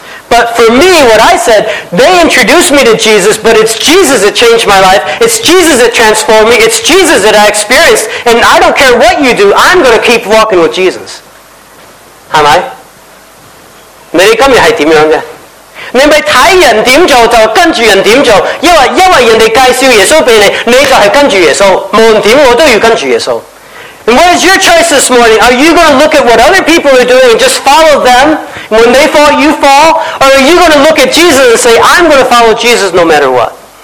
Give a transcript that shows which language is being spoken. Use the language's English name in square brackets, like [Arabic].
[English] But for me, what I said, they introduced me to Jesus, but it's Jesus that changed my life. It's Jesus that transformed me. It's Jesus that I experienced. And I don't care what you do, I'm going to keep walking with Jesus. Am I? [Chinese] 你今天是怎样的? 你不是看人怎么做,就跟着人怎么做, 因为人家介绍耶稣给你, 你就是跟着耶稣, 无论怎样我都要跟着耶稣。 [English] And what is your choice this morning? Are you going to look at what other people are doing and just follow them? When they fall, you fall? Or are you going to look at Jesus and say, I'm going to follow Jesus no matter what?